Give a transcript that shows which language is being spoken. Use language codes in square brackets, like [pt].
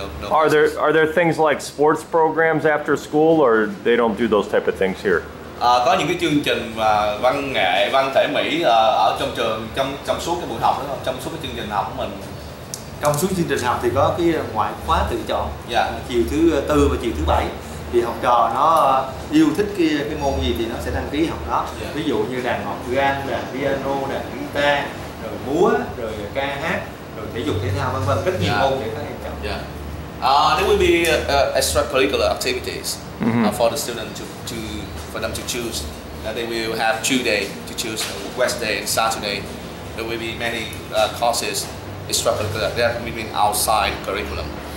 [en] Are there things like sports programs after school or they don't do those type of things here? [vi] Có những cái chương trình văn nghệ, văn thể mỹ ở trong trường trong suốt cái buổi học đó, trong suốt cái chương trình học của mình. Trong suốt chương trình học thì có cái ngoại khóa tự chọn [en] yeah. [vi] chiều thứ tư và chiều thứ bảy thì học trò nó yêu thích cái môn gì thì nó sẽ đăng ký học đó [en] yeah. [vi] ví dụ như đàn ngọn gian, đàn piano, đàn guitar, rồi múa, rồi ca hát, rồi thể dục thể thao vân vân rất nhiều [en] yeah. [vi] môn để các em chọn [en] yeah. There will be extracurricular activities for the student to choose. They will have 2 days to choose, Wednesday and Saturday. There will be many courses extracurricular, that we mean outside curriculum.